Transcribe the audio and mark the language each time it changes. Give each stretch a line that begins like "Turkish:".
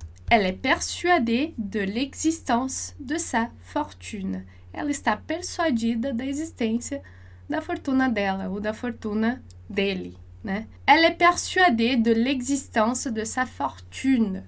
French: Elle est persuadée de l'existence de sa fortune.
Portuguese: Ela está persuadida da existência da fortuna dela ou da fortuna dele, né?
French: Elle est persuadée de l'existence de sa fortune.